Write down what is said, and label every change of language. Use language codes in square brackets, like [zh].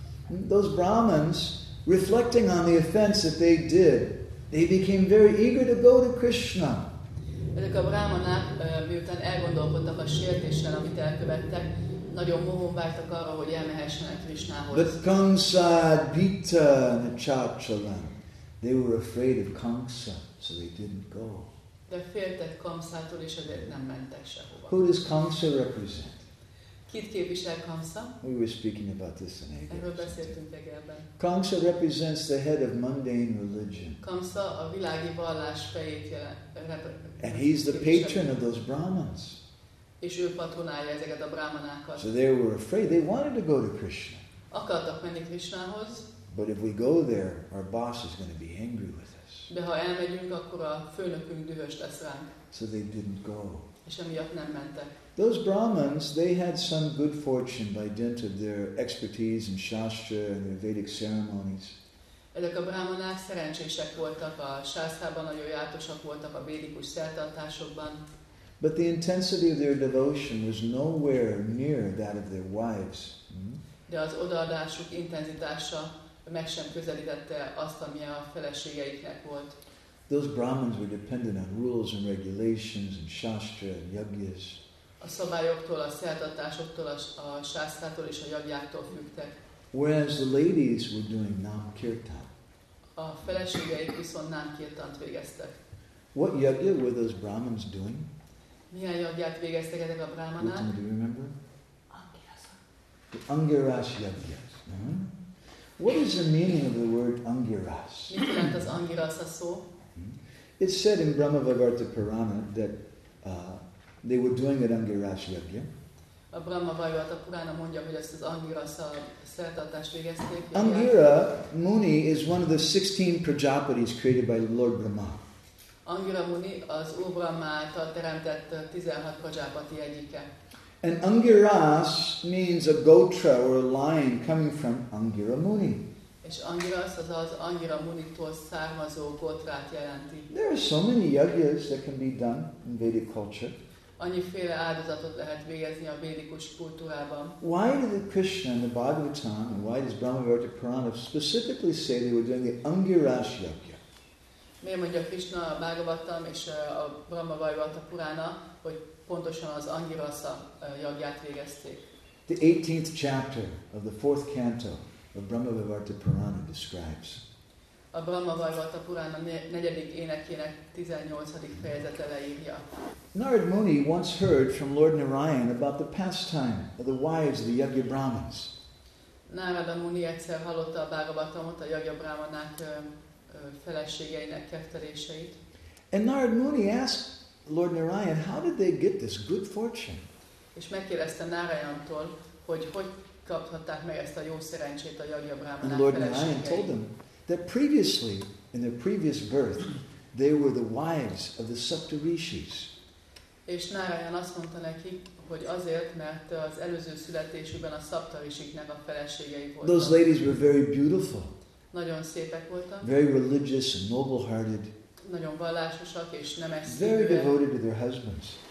[en] Those Brahmins, reflecting on the offense that they did, they became very eager to go to Krishna. [hu] Ezek a brahmanák, miután elgondolkodtak a sértéssel, amit elkövettek, nagyon mohón vártak arra, hogy elmehessenek Krishnához. [en] But Kamsa, Bita, Nachachalan, they were afraid of Kamsa, so they didn't go. [hu] De féltek Kamsától, és ezért nem mentek sehova. [en] Who does Kamsa represent? [hu] Kit képvisel [en] Kamsa? We were speaking about this in [hu] Egerben. Erről beszéltünk [en] Egerben. Kamsa represents the head of mundane religion. [hu] Kamsa a világi vallás fejét jelent. [en] And he's the patron of those Brahmins. [hu] És ő patronálja ezeket a brahmanákat. [en] So they were afraid. They wanted to go to Krishna. [hu] Akartak menni Krishnához. [en] But if we go there, our boss is going to be angry with us. [hu] De ha elmegyünk, akkor a főnökünk dühös lesz ránk. [en] So they didn't go. [hu] És emiatt nem mentek. [en] Those Brahmins, they had some good fortune by dint of their expertise in Shastra and their Vedic ceremonies. [hu] Ezek a brahmanák szerencsések voltak a Shastrában, nagyon jártasak voltak a védikus szertartásokban. [en] But the intensity of their devotion was nowhere near that of their wives. [hu] De az odaadásuk intenzitása meg sem közelítette azt, ami a feleségeiknek volt. [en] Those Brahmins were dependent on rules and regulations and Shastra and Yajnas. [hu] A szabályoktól, a szertartásoktól, a sásztától és a jagjáktól függtek. [en] Whereas the ladies were doing nam-kirtan. [hu] A feleségeik viszont nám-kirtant végeztek. [en] What yagya were those Brahmins doing? [hu] Milyen jagját végeztek ezek a brahmanák? [en] Do you remember? Angirasa. The angiras yagyas. What is the meaning of the word angiras? [hu] Mit jelent az angirasa szó? [en] It's said in Brahmavagarta Purana that they were doing it angiras yagya. [hu] A Brahmavagarta Purana mondja, hogy ezt az angirasa szertartást végezték. [en] Angira Muni is one of the 16 prajapatis created by Lord Brahma. [hu] Angira Muni az Úr Brahma által teremtett 16 prajapati egyike. [en] And angiras means a gotra or a line coming from Angira Muni. [hu] És angiras az Angira Muni-tól származó gotrát jelenti. [en] There are so many yagyas that can be done in Vedic culture. [hu] Annyiféle áldozatot lehet végezni a védikus kultúrában. [en] Why did Krishna in the Bhagavatam and why does Brahmavarta Purana specifically say they were doing the angiras yagya? [hu] Miért mondja Krishna a Bhagavatam és a Brahmavarta Purana, hogy pontosan az angirasa yagyát végezték? [en] The 18th chapter of the 4th canto of Brahmavarta Purana describes. [hu] A Brahmavarta Purana negyedik énekének 18. fejezete leírja. [en] Narad Muni once heard from Lord Narayan about the pastime of the wives of the Yajna Brahmins. [hu] Narada Muni egyszer hallotta a Bhagavatamot, a Yajna Brahmanák feleségeinek kefteléseit. [en] And Narad Muni asked Lord Narayan, how did they get this good fortune? [hu] És megkérdezte Narayantól, hogy kaphatták meg ezt a jó szerencsét a Yajna Brahmanák [en] And Lord Narayan told them that previously, in their previous birth, they were the wives of the Saptarishis. [hu] És Narayan azt mondta neki, hogy azért, mert az előző születésükben a Saptarishiknek a feleségei voltak. [en] Those ladies were very beautiful. [hu] Nagyon szépek voltak. [en] Very religious and noble-hearted. [hu] Nagyon vallásosak és nemes szívűek. [en] Very devoted to their husbands.